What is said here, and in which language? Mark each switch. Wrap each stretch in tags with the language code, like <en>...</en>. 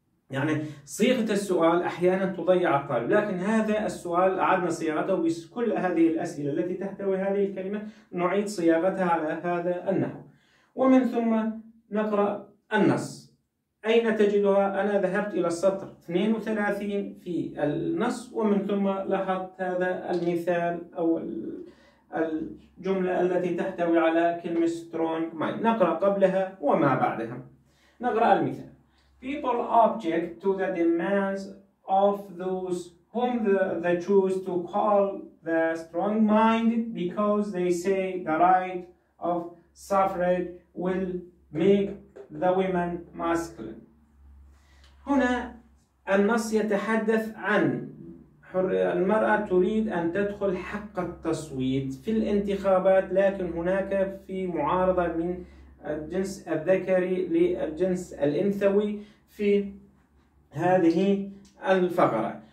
<ar>يعني صيغة السؤال أحيانا تضيع الطالب، لكن هذا السؤال أعدنا صياغته بكل هذه الأسئلة التي تحتوي هذه الكلمة نعيد صياغتها على هذا النحو، ومن ثم نقرأ النص. أين تجدها؟ أنا ذهبت إلى السطر 32 في النص، ومن ثم لاحظت هذا المثال أو الجملة التي تحتوي على كلمة strong mind. نقرأ قبلها وما بعدها. نقرأ المثال.</ar> <en>People object to the demands of those whom they choose to call the strong mind because they say the right of suffrage will make the women masculine.</en> <ar>هنا النص يتحدث عن المرأة تريد أن تدخل حق التصويت في الانتخابات، لكن هناك في معارضة من الجنس الذكري للجنس الأنثوي في هذه الفقرة.</ar>